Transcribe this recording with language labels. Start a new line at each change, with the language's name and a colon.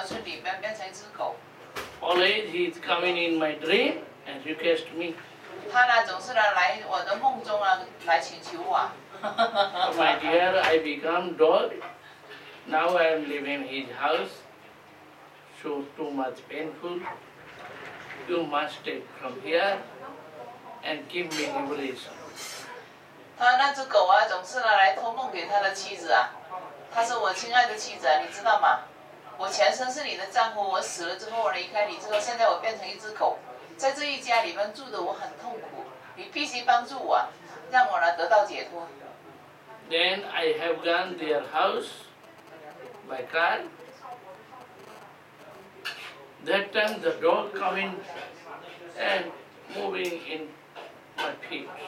Chinese: 然后他跟古鲁迪亚说，他说他的丈夫死了，就变成在一条村里面变成一只狗。
English: Always he's coming in my dream and request me.
Chinese: 他呢，总是来我的梦中啊，来请求我。
English: My dear, I become dog. Now I am living in his house. So too much painful. You must take from here and give me liberation.
Chinese: 他那只狗啊，总是来托梦给他的妻子啊。他说：“我亲爱的妻子啊，你知道吗？我前身是你的丈夫，我死了之后离开你之后，现在我变成一只狗，在这一家里面住的我很痛苦，你必须帮助我，让我呢得到解脱。”
English: Then I have gone their house by car. That time the dog coming and moving in my feet.